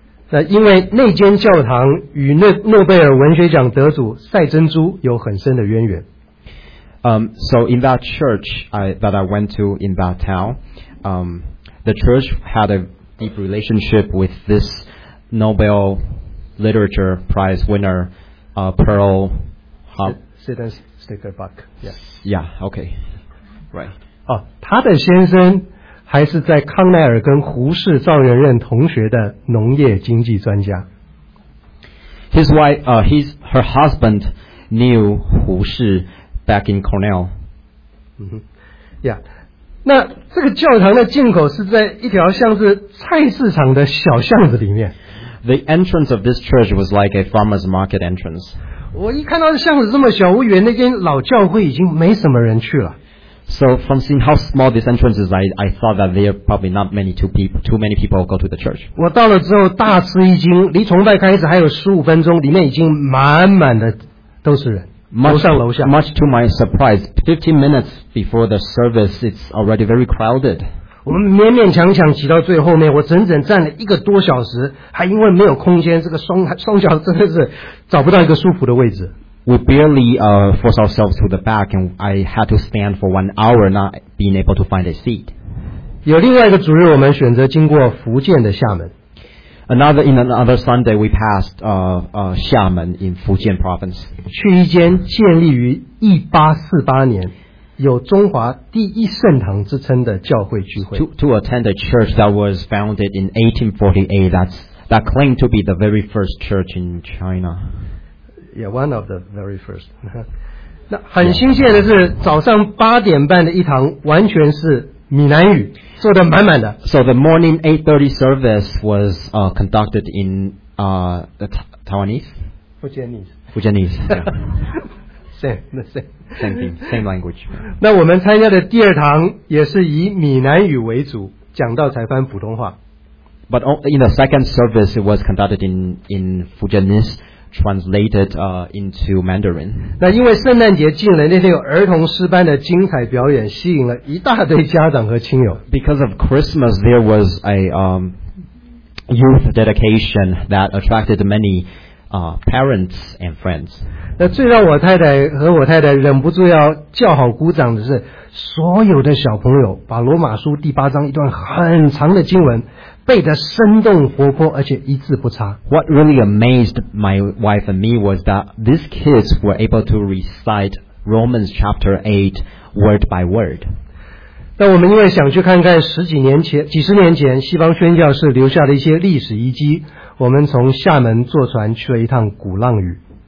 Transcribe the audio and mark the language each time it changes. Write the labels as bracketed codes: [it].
[zh] 那因为那间教堂与诺贝尔文学奖得主赛珍珠有很深的渊源。 [en] So in that church that I went to in that town, the church had a deep relationship with this Nobel Literature Prize winner, Pearl. Sidon Steckelbach. Yes. Yeah. Okay. Right. [zh] 哦，他的先生还是在康奈尔跟胡适、赵元任同学的农业经济专家。 [en] His wife, her husband knew 胡适 back in Cornell. [zh] 嗯哼，呀，那这个教堂的进口是在一条像是菜市场的小巷子里面。 [en] The entrance of this church was like a farmer's market entrance. [zh] 我一看到这巷子这么小，我以为那间老教会已经没什么人去了。 [en] So from seeing how small this entrance is, I thought that there are probably not many too many people go to the church. [zh] 我到了之后大吃一惊，离崇拜开始还有十五分钟，里面已经满满的都是人，楼上楼下。 [en] Much to my surprise, 15 minutes before the service, it's already very crowded. [zh] 我们勉勉强强挤到最后面，我整整站了一个多小时，还因为没有空间，这个双脚真的是找不到一个舒服的位置。 [en] We barely forced ourselves to the back, and I had to stand for 1 hour, not being able to find a seat. [zh] 有另外一个主日，我们选择经过福建的厦门。 [en] In another Sunday, we passed 厦门 in 福建 province. [zh] 去一间建立于1848年有中华第一圣堂之称的教会聚会。 [en] To attend a church that was founded in 1848, that claimed to be the very first church in China. Yeah, one of the very first. [zh] 那很新鲜的是早上八点半的一堂完全是闽南语，坐得满满的。 [en] So the morning 8:30 service was conducted in Taiwanese? Fujianese. Same language. [zh] 那我们参加的第二堂也是以闽南语为主，讲到才翻普通话。 [en] But in the second service, it was conducted in Fujianese, translated into Mandarin. [zh] 那因为圣诞节进来那天有儿童诗班的精彩表演，吸引了一大堆家长和亲友。 [en] Because of Christmas, there was a youth dedication that attracted many parents and friends. [zh] 那最让我太太和我太太忍不住要叫好鼓掌的是，所有的小朋友把罗马书第八章一段很长的经文背得生动活泼，而且一字不差。 [en] What really amazed my wife and me was that these kids were able to recite Romans chapter 8 word by word. [zh] 那我们因为想去看看十几年前、几十年前西方宣教士留下的一些历史遗迹，我们从厦门坐船去了一趟鼓浪屿。